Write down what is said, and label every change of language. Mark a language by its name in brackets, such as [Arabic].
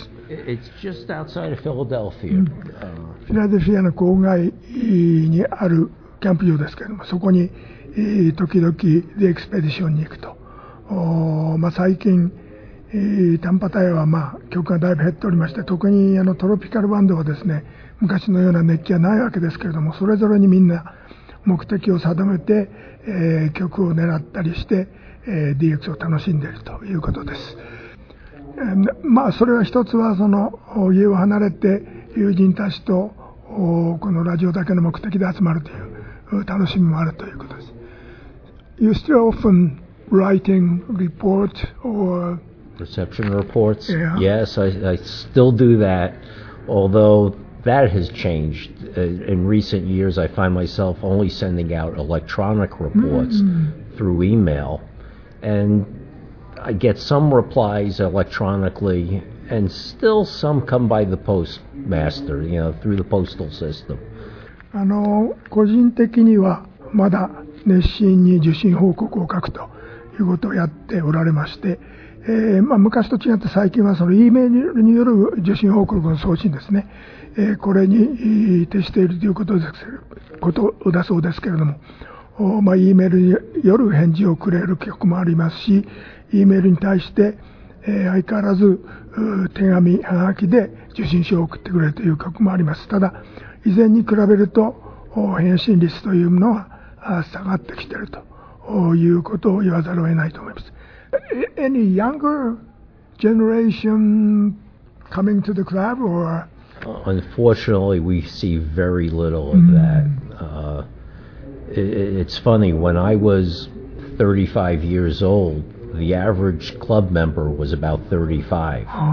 [English] It's just outside of Philadelphia. [Japanese] フィラデルフィアの郊外にあるキャンプ場ですけれども、そこに時々でエクスペディションに行くと。まあ、最近、短波帯はまあ曲がだいぶ減っておりまして、特にあのトロピカルバンドはですね、昔のような熱気はないわけですけれども、それぞれにみんな目的を定めて、曲を狙ったりして、DX を楽しんでいるということです。まあそれは一つはその家を離れて友人たちとこのラジオだけの目的で集まるという楽しみもあるということです。 [English] You still often writing report or reception reports? Yeah. Yes, I still do that, although that has changed. In recent years, I find myself only sending out electronic reports through email, and I get some replies electronically, and still some come by the postmaster, you know, through the postal system. [Japanese] 個人的にはまだ熱心に受信報告を書くということをやっておられまして、まあ、昔と違って最近はその E メールによる受信報告の送信ですね、これに徹しているということですことだそうですけれども、まあ、E メールによる返事をくれる曲もありますし、 E メールに対して、相変わらず手紙はがきで受信書を送ってくれるという曲もあります。ただ以前に比べると返信率というものは下がってきているということを言わざるを得ないと思います。 [English] Any younger generation coming to the club? Or? Unfortunately, we see very little of that. It's funny, when I was 35 years old, the average club member was about 35.